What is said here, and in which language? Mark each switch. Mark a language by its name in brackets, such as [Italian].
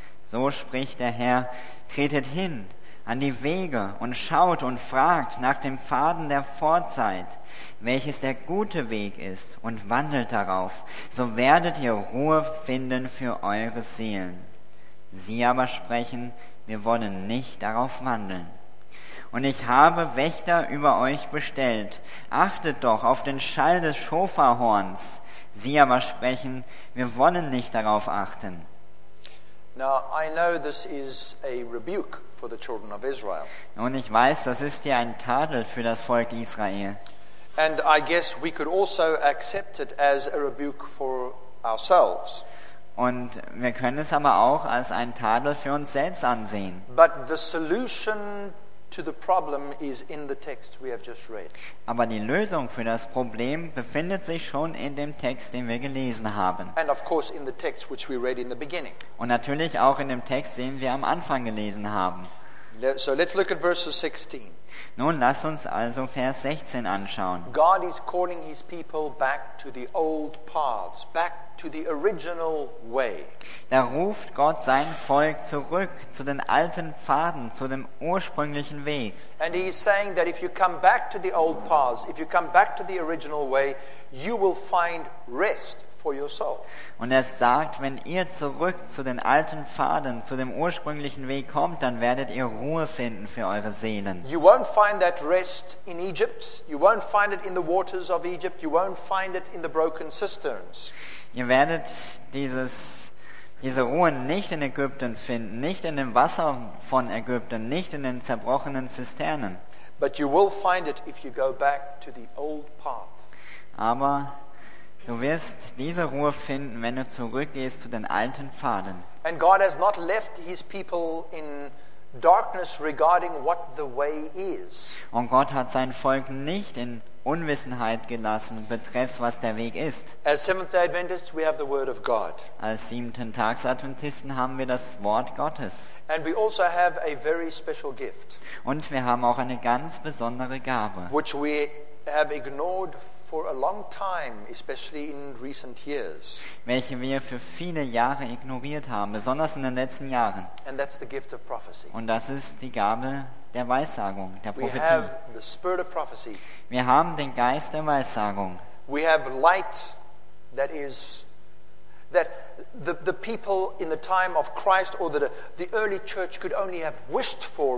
[German] So spricht der Herr, tretet hin an die Wege und schaut und fragt nach dem Pfaden der Vorzeit, welches der gute Weg ist, und wandelt darauf, so werdet ihr Ruhe finden für eure Seelen. Sie aber sprechen, wir wollen nicht darauf wandeln. Und ich habe Wächter über euch bestellt, achtet doch auf den Schall des Schofarhorns. Sie aber sprechen, wir wollen nicht darauf achten. [English] Now I know this is a rebuke for the children of Israel. [German] Und ich weiß, das ist hier ein Tadel für das Volk Israel. [English] And I guess we could also accept it as a rebuke for ourselves. [German] Und wir können es aber auch als ein Tadel für uns selbst ansehen. [English] But the solution to the problem is in the text we have just read. [German] Aber die Lösung für das Problem befindet sich schon in dem Text, den wir gelesen haben. [English] And of course in the text which we read in the beginning. [German] Und natürlich auch in dem Text, den wir am Anfang gelesen haben. [English] So let's look at verse 16. [German] Nun lass uns also Vers 16 anschauen. [English] God is calling his people back to the old paths, back to the original way. [German] Da ruft Gott sein Volk zurück zu den alten Pfaden, zu dem ursprünglichen Weg. [English] And he is saying that if you come back to the old paths, if you come back to the original way, you will find rest. [German] Und er sagt, wenn ihr zurück zu den alten Pfaden, zu dem ursprünglichen Weg kommt, dann werdet ihr Ruhe finden für eure Seelen. [English] You won't find that rest in Egypt. You won't find it in the waters of Egypt. You won't find it in the broken cisterns. [German] Ihr werdet diese Ruhe nicht in Ägypten finden, nicht in dem Wasser von Ägypten, nicht in den zerbrochenen Zisternen. [English] But you will find it if you go back to the old path. [German] Aber du wirst diese Ruhe finden, wenn du zurückgehst zu den alten Pfaden. [English] And God has not left his people in darkness regarding what the way is. [German] Und Gott hat sein Volk nicht in Unwissenheit gelassen betreffs, was der Weg ist. [English] As Seventh-day Adventists, we have the Word of God. [German] Als Siebenten-Tags-Adventisten haben wir das Wort Gottes. [English] And we also have a very special gift. [German] Und wir haben auch eine ganz besondere Gabe, [English] which we have ignored for a long time, especially in recent years. [German] Welche wir für viele Jahre ignoriert haben, besonders in den letzten Jahren. [English] And that's the gift of prophecy. [German] Und das ist die Gabe der Weissagung, der Prophetie. [English] We have the spirit of prophecy. [German] Wir haben den Geist der Weissagung. [English] We have light that is that the people in the time of Christ or the early church could only have wished for.